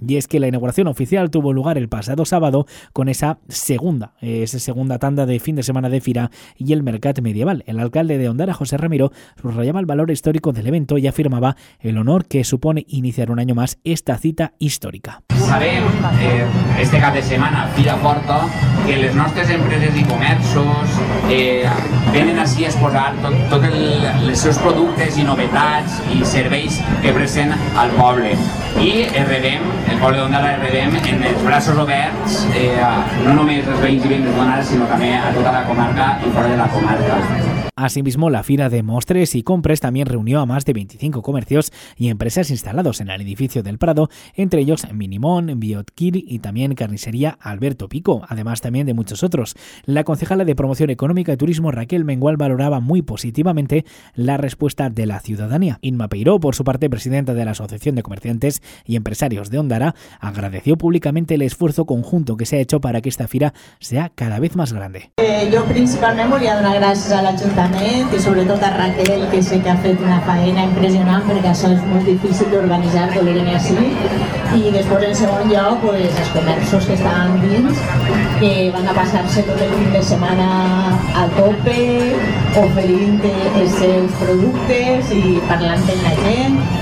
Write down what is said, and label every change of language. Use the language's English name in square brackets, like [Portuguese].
[Spanish] Y es que la inauguración oficial tuvo lugar el pasado sábado con esa segunda tanda de fin de semana de Fira y el Mercat Medieval. El alcalde de Ondara, José Ramiro, subrayaba el valor histórico del evento y afirmaba el honor que supone iniciar un año más esta cita histórica. [Catalan] Sabem, este cap de setmana, Fira Porta, que les nostres empreses i comerços venen ací a exposar tots els seus productes i novetats i serveis que present al poble. I el poble d'Ondara rebem en els braços oberts, no només els veïns i veïns d'Ondara, sinó també a tota la comarca i fora de la comarca. [Spanish] Asimismo, la fira de mostres y compras también reunió a más de 25 comercios y empresas instalados en el edificio del Prado, entre ellos Minimón, Biotkir y también Carnicería Alberto Pico, además también de muchos otros. La concejala de Promoción Económica y Turismo, Raquel Mengual, valoraba muy positivamente la respuesta de la ciudadanía. Inma Peiró, por su parte, presidenta de la Asociación de Comerciantes y Empresarios de Ondara, agradeció públicamente el esfuerzo conjunto que se ha hecho para que esta fira sea cada vez más grande. Yo principalmente [Catalan] volia donar gràcies a l'Ajuntament i sobretot a Raquel, que sé que ha fet una faena impressionant perquè això és molt difícil d'organitzar, que volien així. I després, en segon lloc, pues, els comerços que estaven dins, que van a passar-se tot el fin de setmana a tope, oferint els seus productes i parlant amb la gent.